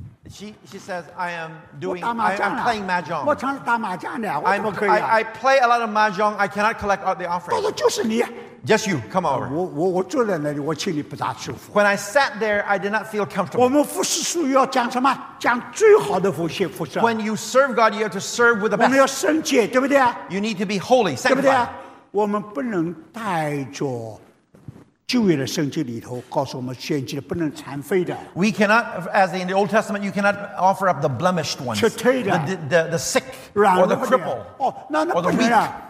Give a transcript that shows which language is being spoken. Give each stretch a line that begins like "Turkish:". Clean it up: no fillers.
English: She says, I am doing, I'm playing mahjong. I play a lot of mahjong. I cannot collect the offering. Just you, come over.
Chinese: 我坐在那里，我心里不大舒服。
English: When I sat there, I did not feel comfortable.
Chinese: 我们服侍主要讲什么？讲最好的服侍。
English: When you serve God, you have to serve with the best.
Chinese: 我们要圣洁，对不对？
English: You need to be holy, sanctified.
Chinese: 对不对？我们不能带着
English: We cannot, as in the Old Testament, you cannot offer up the blemished ones, the sick, or the cripple, or the weak.